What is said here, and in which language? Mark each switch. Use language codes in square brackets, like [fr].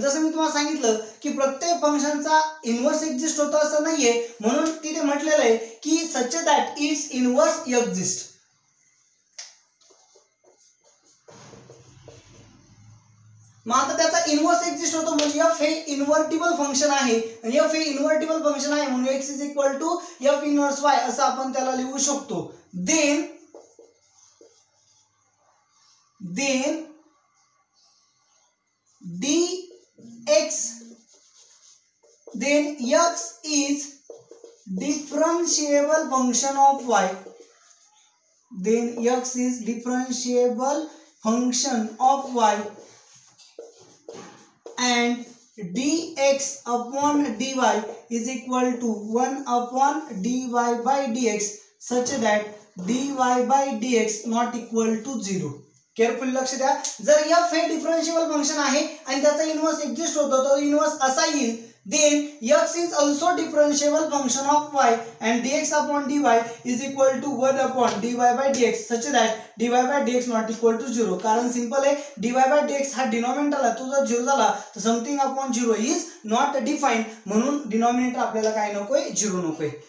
[mr] जसं मी तुम्हाला सांगितलं की प्रत्येक फंक्शनचा इन्वर्स एक्झिस्ट होतो असं नाहीये, म्हणून तिथे म्हटलेलं आहे की [en] Such that it's inverse exist. [mr] मग आता त्याचा इन्वर्स एक्झिस्ट होतो म्हणजे एफ हे इन्व्हर्टिबल फंक्शन आहे, एफ हे इन्व्हर्टिबल फंक्शन आहे म्हणून x is equal to F inverse Y असं आपण त्याला लिहू शकतो. [en] Then d x then x is differentiable function of y, then x is differentiable function of y and dx upon dy is equal to 1 upon dy by dx such that dy by dx not equal to 0. [mr] Careful लक्ष द्या, जर f हे differential function आहे आणि त्याचा inverse exist होतो तो inverse असा येईल, [en] then x is also differential function of y and dx / dy is equal to 1 / dy / dx such that dy / dx not equal to 0, [mr] कारण सिंपल आहे dy / dx हा डिनोमिनेटर आहे, तो जर 0 झाला तर [en] something / 0 is not defined, [mr] म्हणून denominator आपल्याला काय नकोय, 0 नकोय।